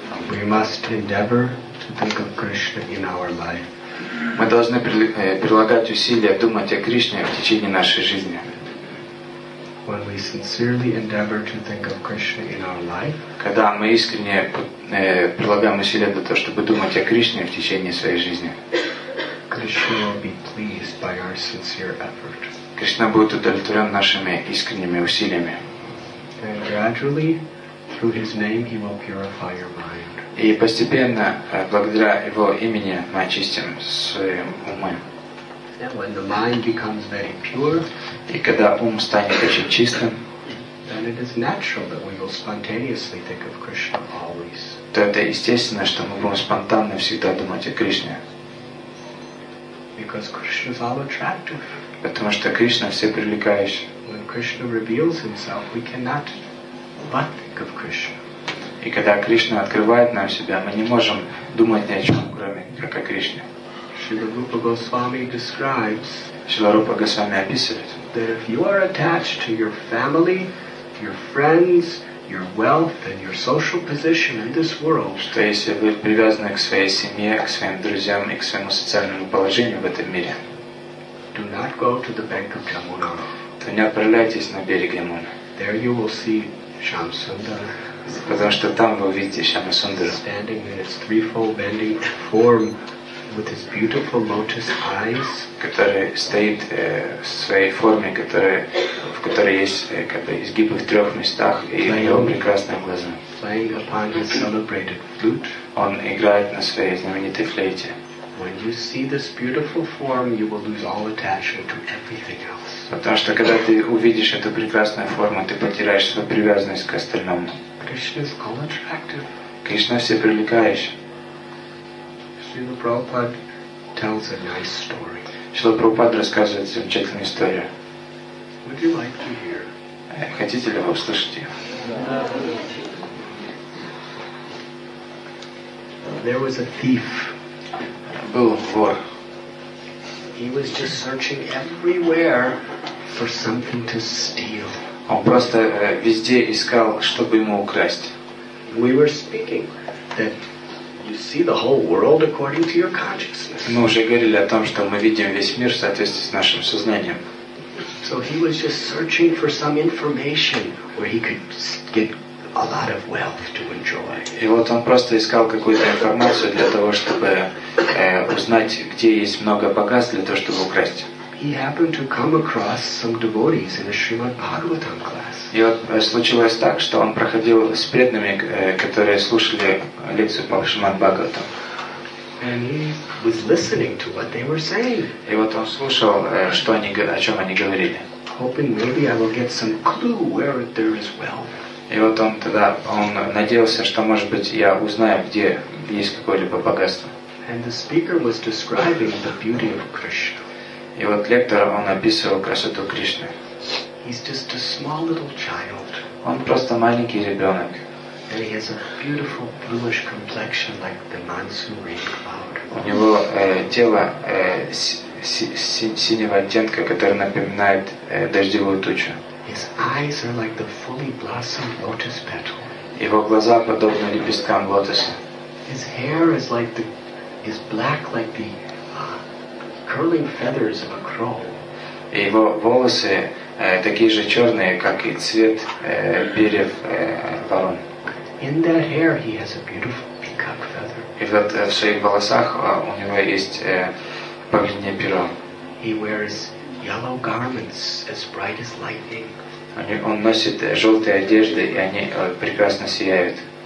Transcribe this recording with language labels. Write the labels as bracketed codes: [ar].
[en] We must endeavor to think of Krishna in our life. [ru] Мы должны прилагать усилия думать о Кришне в течение нашей жизни. [en] When we sincerely endeavor to think of Krishna in our life, [ru] когда мы искренне прилагаем усилия для того, чтобы думать о Кришне в течение своей жизни, [en] Krishna will be pleased by our sincere effort. [ru] Кришна будет удовлетворен нашими искренними усилиями. [en] And gradually, through His name, He will purify your mind. [ru] И постепенно, благодаря Его имени, мы очистим свои умы. [en] And when the mind becomes very pure, [ru] и когда ум станет очень чистым, [en] then it is natural that we will spontaneously think of Krishna always. [ru] То это естественно, что мы будем спонтанно всегда думать о Кришне. [en] Because Krishna is all attractive. [ru] Потому что Кришна все привлекающий. [en] When Krishna reveals himself, we cannot but think of Krishna. [ru] И когда Кришна открывает нам себя, мы не можем думать ни о чем, кроме как о Кришне. [en] Srila Rupa Goswami describes. [ru] Srila Rupa Goswami описывает. [en] That if you are attached to your family, your friends, your wealth, and your social position in this world. [ru] Что если вы привязаны к своей семье, к своим друзьям и к своему социальному положению в этом мире. [en] Do not go to the bank of Yamuna. [ru] То не отправляйтесь на берег Ямуны. [en] There you will see Shamsundara. [ru] Потому что там вы увидите Шамасундару. [en] Standing in its threefold bending form. With his beautiful lotus eyes, [ru] который стоит в своей форме, в которой есть как бы изгибы в трех местах, и у него прекрасные глаза. [en] Playing upon his celebrated flute, [ru] он играет на своей знаменитой флейте. [en] When you see this beautiful form, you will lose all attachment to everything else. [ru] Потому что когда ты увидишь эту прекрасную форму, ты потеряешь свою привязанность к остальному. [en] Krishna is all attractive. [ru] Кришна все привлекающий. [en] Srila Prabhupada tells a nice story. [ru] Srila Prabhupada рассказывает замечательную историю. [en] Would you like to hear? [ru] Хотите ли вы услышать ее? [en] There was a thief. [ru] Был вор. [en] He was just searching everywhere for something to steal. [ru] Он просто везде искал, чтобы ему украсть. [en] We were speaking that you see the whole world according to your consciousness. [ru] Мы уже говорили о том, что мы видим весь мир в соответствии с нашим сознанием. [en] So he was just searching for some information where he could get a lot of wealth to enjoy. [ru] И вот он просто искал какую-то информацию для того, чтобы узнать, где есть много богатств для того, чтобы украсть. [en] He happened to come across some devotees in a Srimad Bhagavatam class. [ru] И вот случилось так, что он проходил с преданными, которые слушали лекцию по Шримад Бхагаватам. [en] And he was listening to what they were saying. [ru] И вот он слушал, что они, о чем они говорили. [en] Hoping maybe I will get some clue where there is wealth. [ru] И вот он тогда, он надеялся, что, может быть, я узнаю, где есть какое-либо богатство. [en] And the speaker was describing the beauty of Krishna. [ru] И вот лектор, он описывал красоту Кришны. [en] He's just a small little child. [ru] Он просто маленький ребенок. [en] And he has a beautiful bluish complexion like the monsoon rain cloud. [ru] У него тело синего оттенка, который напоминает дождевую тучу. [en] His eyes are like the fully blossomed lotus petal. [ru] Его глаза подобны лепесткам лотоса. [en] His hair is like the is black like the curling feathers of a crow. [ru] Его волосы такие же черные, как и цвет перьев ворон. [en] In that hair he has a beautiful peacock feather. [ru] И вот в своих волосах у него есть павлинье перо. [en] He wears yellow garments as bright as lightning. [ru] Он носит желтые одежды, и они прекрасно сияют.